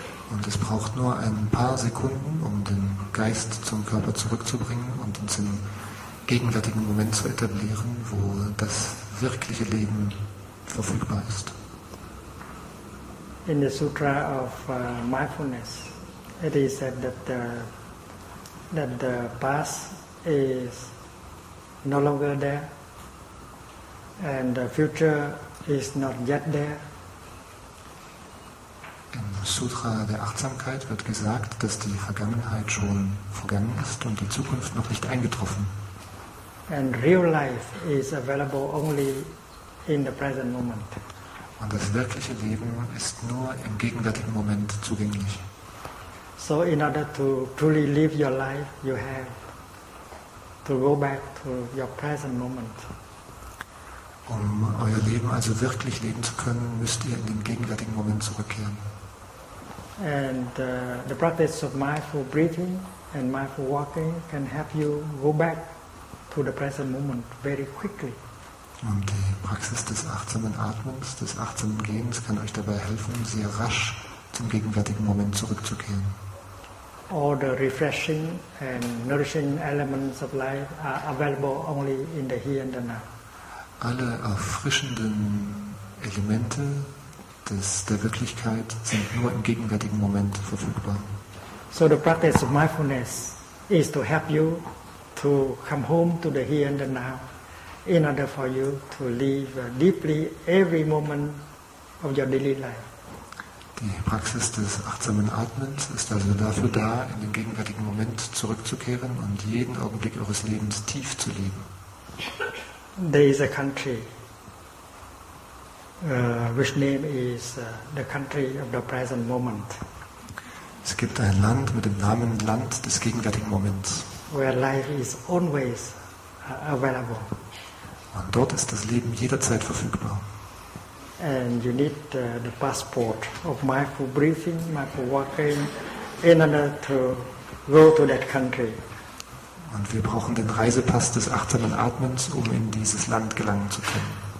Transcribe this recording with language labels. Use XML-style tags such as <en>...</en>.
<de>Und es braucht nur ein paar Sekunden, um den Geist zum Körper zurückzubringen und uns im gegenwärtigen Moment zu etablieren, wo das wirkliche Leben verfügbar ist.</de> <en>In the Sutra of Mindfulness, it is said that that the past is no longer there, and the future is not yet there.</en> <de>Im Sutra der Achtsamkeit wird gesagt, dass die Vergangenheit schon vergangen ist und die Zukunft noch nicht eingetroffen.</de> <en>And real life is available only in the present moment.</en> <de>Und das wirkliche Leben ist nur im gegenwärtigen Moment zugänglich.</de> <en>So in order to truly live your life, you have to go back to your present moment.</en> <de>Um euer Leben also wirklich leben zu können, müsst ihr in den gegenwärtigen Moment zurückkehren.</de> <en>And the practice of mindful breathing and mindful walking can help you go back to the present moment very quickly.</en> <de>Und die Praxis des achtsamen Atmens, des achtsamen Gehens kann euch dabei helfen, sehr rasch zum gegenwärtigen Moment zurückzukehren.</de> <en>All the refreshing and nourishing elements of life are available only in the here and the now.</en> <de>Alle erfrischenden Elemente der Wirklichkeit sind nur im gegenwärtigen Moment verfügbar.</de> <en>So the practice of mindfulness is to help you to come home to the here and the now in order for you to live deeply every moment of your daily life.</en> <de>Die Praxis des achtsamen Atmens ist also dafür da, in den gegenwärtigen Moment zurückzukehren und jeden Augenblick eures Lebens tief zu leben.</de> <en>There is a country which name is the country of the present moment.</en> <de>Es gibt ein Land mit dem Namen Land des gegenwärtigen Moments.</de> <en>Where life is always available.</en> <de>Und dort ist das Leben jederzeit verfügbar.</de> <en>And you need the passport of mindful breathing, mindful walking, in order to go to that country.</en> <de>Und wir brauchen den Reisepass des achtsamen Atmens, um in dieses Land gelangen zu können.</de>